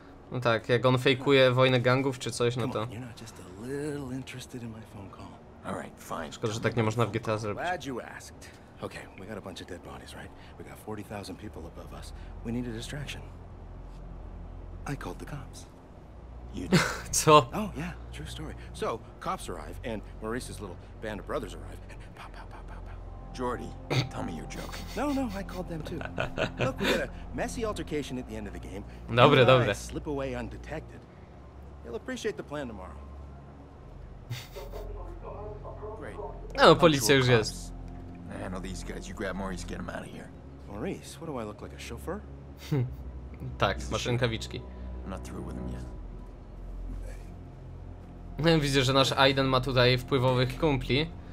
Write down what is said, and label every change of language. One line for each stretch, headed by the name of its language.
Polish: No tak, jak on fejkuje wojnę gangów czy coś, no to.
English: You're not just a little interested in my phone call. All right, fine.
Polish: Szkoda, że tak nie można w GTA zrobić.
English: Glad you asked. Okay, we got a bunch of dead bodies, right? We got 40,000 people above us. We need a distraction. I called the cops. You did. So. Oh yeah, true story. So cops arrive, and Maurice's little band of brothers arrive, and pow, pow, pow, pow, pow. Jordy, tell me you're joking. No, no, I called them too. Look, we got a messy altercation at the end of the game.
Polish: Dobre,
English: and
Polish: dobre.
English: I slip away undetected. You'll appreciate the plan tomorrow. Great.
Polish: No, policja już jest.
English: I handle these guys. You grab Maurice, get him out of here. Maurice, what do I look like, a chauffeur?
Polish: Tak, masz rękawiczki.
English: I'm not through with him yet.
Polish: Widzę, że nasz Aiden ma tutaj wpływowych kumpli.